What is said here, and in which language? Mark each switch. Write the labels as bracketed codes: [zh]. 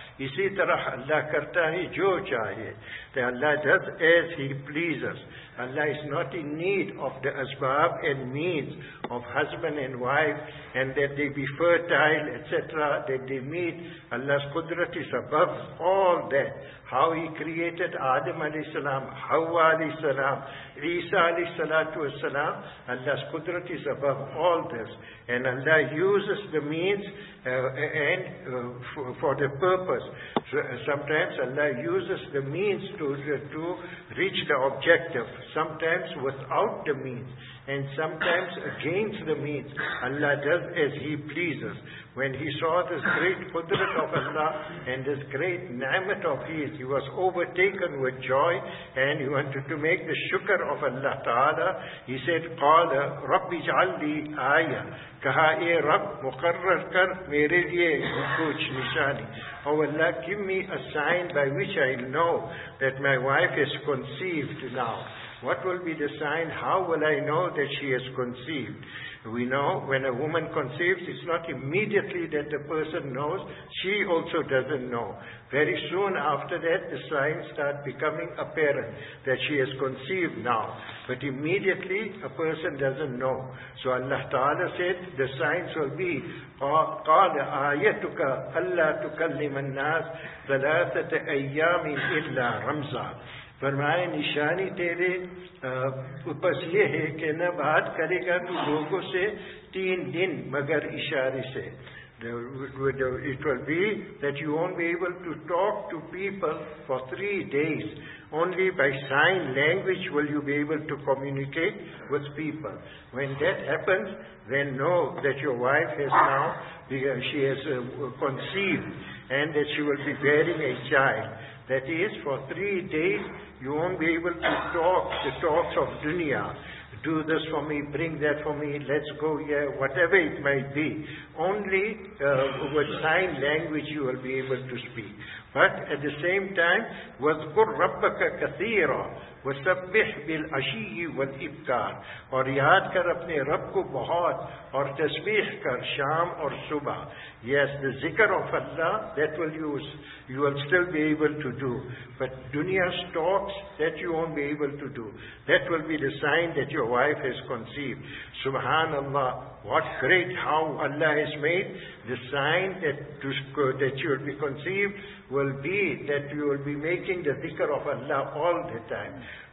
[ur] اسی طرح Allah کرتا ہے جو چاہے. [en] That Allah does as He pleases. Allah is not in need of the asbab and means of husband and wife, and that they be fertile, etc., that they meet. Allah's qudrat is above all that. How He created Adam alayhi salam, Hawa alayhi salam, Isa alayhi salatu wasalam, Allah's qudrat is above all this. And Allah uses the means for the purpose. Sometimes Allah uses the means to reach the objective, sometimes without the means, and sometimes against the means. Allah does as He pleases. When he saw this great qudrat of Allah and this great ni'mat of His, he was overtaken happen with joy, and he wanted to make the shukr of Allah Ta'ala. He said, [ar] قَالَ رَبِّ جَعَلِّي آيَةً [ur] کہا اے رب مقرر کر میرے لئے کچھ نشانی. [en] Oh Allah, give me a sign by which I know that my wife is conceived now. What will be the sign? How will I know that she has conceived? We know when a woman conceives, it's not immediately that the person knows. She also doesn't know. Very soon after that, the signs start becoming apparent that she has conceived now. But immediately, a person doesn't know. So Allah Ta'ala said, the signs will be, [ar] قَالَ آيَتُكَ أَلَّا تُكَلِّمَ النَّاسِ ثَلَاثَةَ أَيَّامٍ إِلَّا رَمْزًا. [ur] فرمائے نشانی تیرے Opus یہ ہے کہ نہ بات کرے گا تو لوگوں سے تین دن مگر اشارے سے. [en] It will be that you won't be able to talk to people for 3 days. Only by sign language will you be able to communicate with people. When that happens, then know that your wife has now, she has conceived and that she will be bearing a child. That is, for 3 days, you won't be able to talk the talks of dunya. Do this for me, bring that for me, let's go here, whatever it might be. Only with sign language you will be able to speak. But at the same time, [ar] وَذْكُرْ رَبَّكَ كَثِيرًا وَسَبِّحْ بِالْعَشِيِّ وَالْإِبْكَارِ. [ur] اور یاد کر اپنے رب کو بہت اور تسبیح کر شام اور صبح. [en] Yes, the zikr of Allah, that will use, you will still be able to do. But dunya's talks, that you won't be able to do. That will be the sign that your wife has conceived. Subhanallah, what great how Allah has made. The sign that you will be conceived will be that you will be making the zikr of Allah all the time.